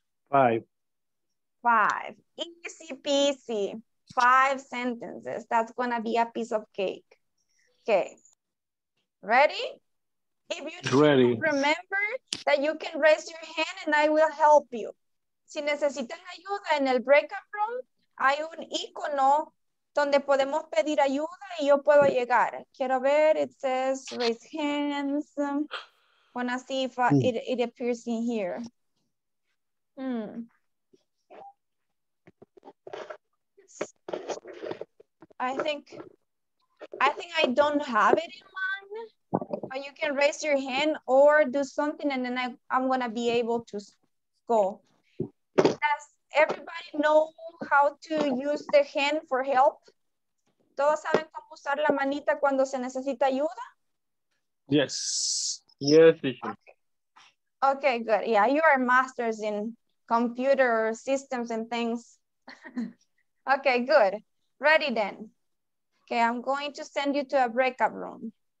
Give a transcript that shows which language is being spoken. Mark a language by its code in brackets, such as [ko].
[en] 5. 5. Easy peasy. 5 sentences. That's going to be a piece of cake. Okay. Ready? If you ready. Remember that you can raise your hand and I will help you. [es] Si necesitan ayuda en el breakout room, hay un icono donde podemos pedir ayuda y yo puedo llegar. Quiero ver, [en] it says raise hands. Wanna see if it appears in here. Hmm. I think I don't have it in mind, but you can raise your hand or do something and then I'm gonna be able to go. Does everybody know how to use the hand for help? [es] ¿Todos saben cómo usar la manita cuando se necesita ayuda? [en] Yes. Yes, teacher. Okay. Okay, good. Yeah, you are masters in computer systems and things. Okay, good. Ready then. Okay, I'm going to send you to a breakout room.